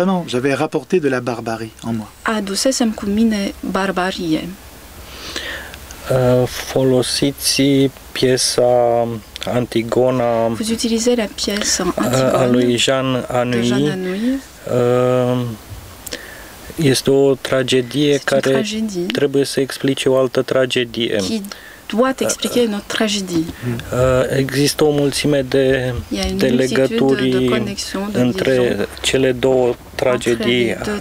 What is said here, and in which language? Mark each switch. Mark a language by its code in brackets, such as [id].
[fr] J'avais rapporté de la barbarie en moi. [ro] Adusesem cu mine barbarie. Folosiți piesa Antigona. [fr] Vous utilisez la pièce Antigone. [ro] A lui Jean Anouilh. De Jean Anouilh. Este o tragedie care trebuie să explice o altă tragedie. [fr] Doit expliquer notre tragédie. [ro] Există o mulțime de legături între cele două tragedii.